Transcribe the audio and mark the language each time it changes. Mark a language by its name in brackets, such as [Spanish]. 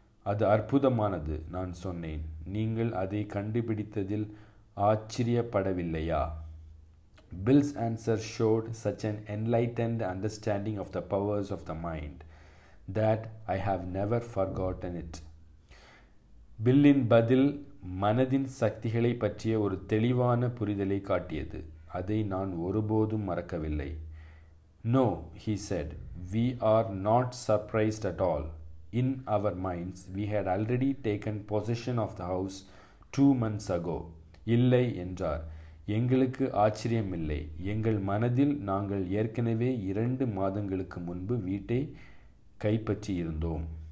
[Tamil] அது அற்புதமானது, நான் சொன்னேன். நீங்கள் அதை கண்டுபிடித்ததில் ஆச்சரியப்படவில்லையா? [English] Bill's answer showed such an enlightened understanding of the powers of the mind that I have never forgotten it. [Tamil] பில்லின் பதில் மனதின் சக்திகளை பற்றிய ஒரு தெளிவான புரிதலை காட்டியது. அதை நான் ஒருபோதும் மறக்கவில்லை. [English] No, he said, we are not surprised at all. In our minds, we had already taken possession of the house 2 months ago. [Tamil] இல்லை என்றார், எங்களுக்கு ஆச்சரியமில்லை. எங்கள் மனதில் நாங்கள் ஏற்கனவே 2 மாதங்களுக்கு முன்பு வீட்டை கைப்பற்றியிருந்தோம்.